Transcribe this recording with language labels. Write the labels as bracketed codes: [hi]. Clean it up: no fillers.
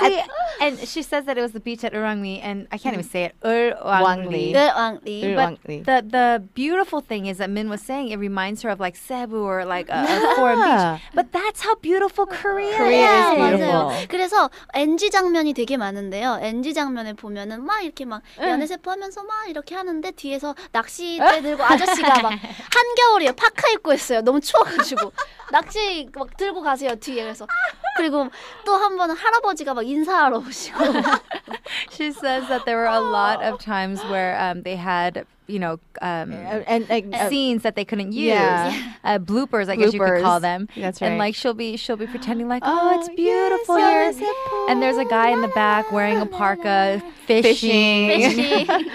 [en] See, and she says that it was the beach at Ulwangri, and I can't even say it. Ulwangri. Ulwangri. The beautiful thing is that Min was saying it reminds her of like Cebu or like a foreign beach. But that's how beautiful Korea is. Korea is beautiful. [ko] 맞아요. 그래서 NG 장면이 되게 많은데요. NG 장면에 보면은 막 이렇게 막 연애 세포하면서 막 이렇게 하는데 뒤에서 낚시대 들고 아저씨가 막 한겨울이에요. 파카 입고 있어요. 너무 추워가지고. 낚시 막 들고 가세요 뒤에 그래서 그리고 또 한 번은 할아버지가 막 인사하러 오시고 [en] She says that there were a lot of times where they had you know scenes that they couldn't use bloopers, I guess you could call them that's right and like she'll be pretending like oh it's beautiful yes, here so and there's a guy in the back wearing a parka fishing.